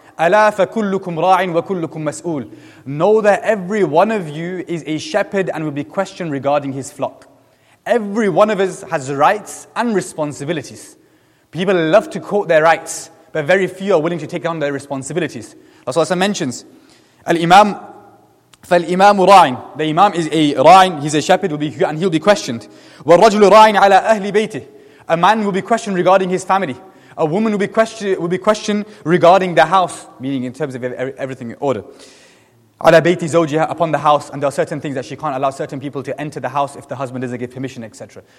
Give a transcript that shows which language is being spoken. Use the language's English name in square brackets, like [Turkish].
[Arabic] أَلَا فَكُلُّكُمْ رَاعٍ وَكُلُّكُمْ مَسْؤُولٍ. [English] Know that every one of you is a shepherd and will be questioned regarding his flock. Every one of us has rights and responsibilities. People love to quote their rights, but very few are willing to take on their responsibilities. Rasulullah mentions, [Arabic] الْإِمَامُ فَالْإِمَامُ رَاعٍ. [English] The imam is a ra'in, he's a shepherd, and he'll be questioned. [Arabic] وَالرَّجُلُ رَاعٍ عَلَىٰ أَهْلِ بَيْتِهِ. [English] A man will be questioned regarding his family. A woman will be questioned regarding the house, meaning in terms of everything in order. [Arabic] عَلَى بَيْتِ زَوْجِهَا, [English] upon the house, and there are certain things that she can't allow certain people to enter the house if the husband doesn't give permission, etc.